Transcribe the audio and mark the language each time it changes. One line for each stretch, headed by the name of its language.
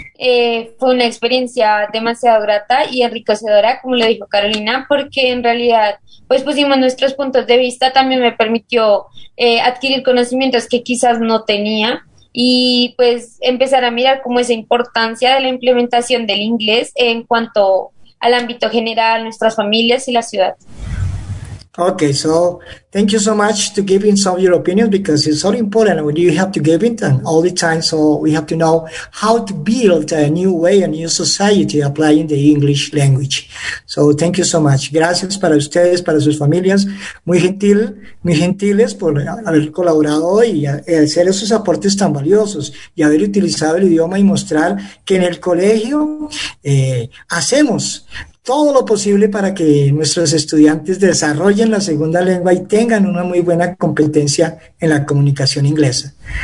Spanish: Fue una experiencia demasiado grata y enriquecedora, como lo dijo Carolina, porque en realidad pues pusimos nuestros puntos de vista, también me permitió adquirir conocimientos que quizás no tenía y pues empezar a mirar como esa importancia de la implementación del inglés en cuanto al ámbito general, nuestras familias y la ciudad.
English: Okay, so thank you so much to give in some of your opinions, because it's so important when you have to give it and all the time. So we have to know how to build a new way, a new society applying the English language. So thank you so much.
Spanish: Gracias para ustedes, para sus familias. Muy gentiles por haber colaborado hoy y hacer esos aportes tan valiosos y haber utilizado el idioma y mostrar que en el colegio hacemos todo lo posible para que nuestros estudiantes desarrollen la segunda lengua y tengan una muy buena competencia en la comunicación inglesa.